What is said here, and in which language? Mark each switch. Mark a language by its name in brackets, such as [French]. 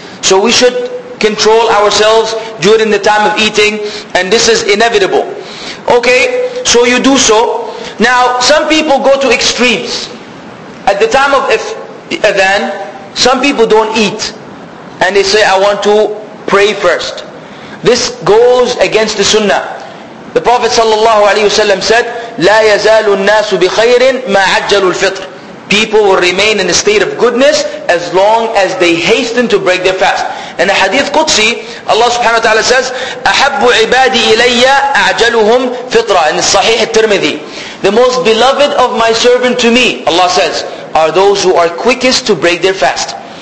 [English] So we should control ourselves during the time of eating, and this is inevitable. Okay, so you do so. Now, some people go to extremes. At the time of adhan, some people don't eat. And they say, I want to pray first. This goes against the sunnah. The Prophet ﷺ said, [Arabic] لَا يَزَالُ النَّاسُ بِخَيْرٍ مَا عَجَّلُوا الْفِطْرِ. [English] People will remain in a state of goodness as long as they hasten to break their fast. In the hadith Qudsi, Allah subhanahu wa ta'ala says, [Arabic] أَحَبُّ عِبَادِي إِلَيَّ أَعْجَلُهُمْ فِطْرًا. [English] In the Sahih al-Tirmidhi, the most beloved of my servant to me, Allah says, are those who are quickest to break their fast.